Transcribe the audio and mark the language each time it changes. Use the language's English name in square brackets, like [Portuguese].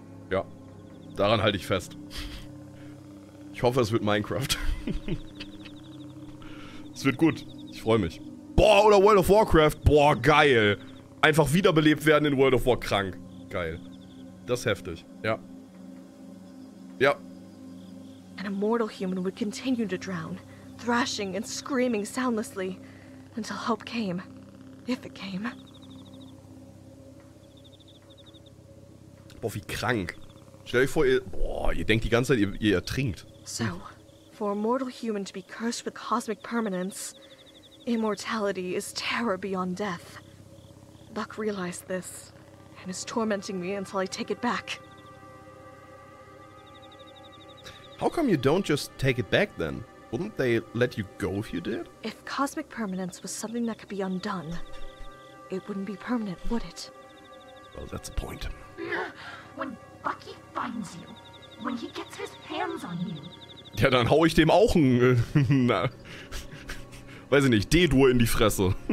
[German] Ja, daran halte ich fest. Ich hoffe, es wird Minecraft. Es wird gut, ich freue mich. Boah, oder World of Warcraft, boah, geil. Einfach wiederbelebt werden in World of War, krank. Geil. Das ist heftig, ja. Ja. [English] An immortal human would continue to drown, thrashing and screaming soundlessly, until hope came, if it came. [German] Boah, wie krank. Stell euch vor, ihr denkt die ganze Zeit, ihr ertrinkt. [English] So, for a mortal human to be cursed with cosmic permanence, immortality is terror beyond death. Buck realized this, and is tormenting me until I take it back. How come you don't just take it back then? Wouldn't they let you go if you did? If cosmic permanence was something that could be undone, it wouldn't be permanent, would it? Well, that's the point. When Bucky finds you, when he gets his hands on you... [German] Ja, dann hau ich dem auch ein... na, weiß ich nicht, D-Dur in die Fresse.